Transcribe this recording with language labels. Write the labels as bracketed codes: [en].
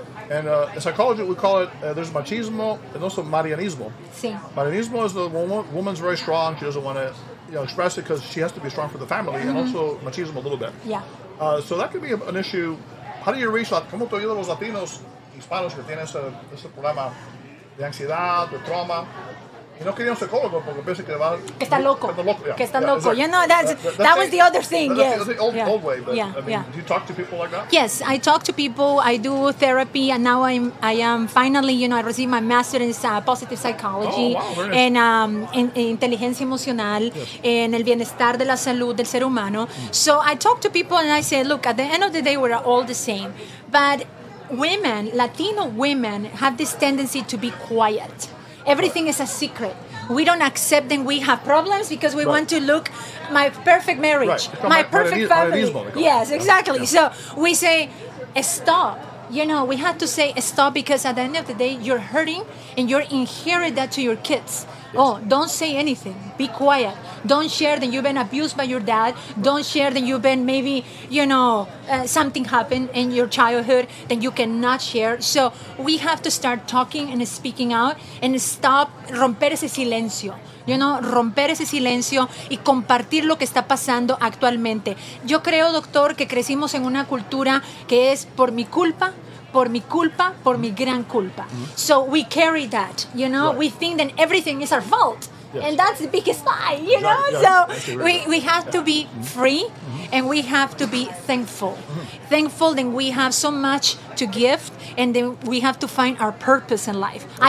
[en] And in psychology, we call it, there's machismo and also marianismo. [es] Sí. [en] Marianismo is the woman's very strong. She doesn't want to, you know, express it because she has to be strong for the family. And also machismo a little bit. Yeah. So that could be an issue. How do you reach that? [es] ¿Cómo te ayudan los Latinos, Hispanos, que tienen ese problema de ansiedad, de trauma? Y no quería un psicólogo porque pensé que va... Que está loco. Que está loco. [en] You know, that was the other thing, yes. That's the old way, but, do you talk to people like that? Yes, I talk to people, I do therapy, and now I am finally, you know, I received my master in positive psychology. Oh, wow, nice. And [es] inteligencia emocional, en el bienestar de la salud del ser humano. [en] So I talk to people and I say, look, at the end of the day, we're all the same. But women, Latino women, have this tendency to be quiet. Everything is a secret. we don't accept that we have problems because we want to look my perfect marriage, my perfect family. Yes, exactly. Yeah. So we say, stop. You know, we have to say stop because at the end of the day, you're hurting and you're inherit that to your kids. Yes. Oh, don't say anything. Be quiet. Don't share that you've been abused by your dad. Right. Don't share that you've been maybe, you know, something happened in your childhood that you cannot share. So we have to start talking and speaking out and stop [es] romper ese silencio. [en] You know, [es] romper ese silencio y compartir lo que está pasando actualmente. Yo creo, doctor, que crecimos en una cultura que es por mi culpa, por mi gran culpa. [en] Mm-hmm. So we carry that, you know. Right. We think that everything is our fault. Yes. And that's the biggest lie, you know. Right. So we have to be free and we have to be thankful. Thankful that we have so much to give and then we have to find our purpose in life. Okay.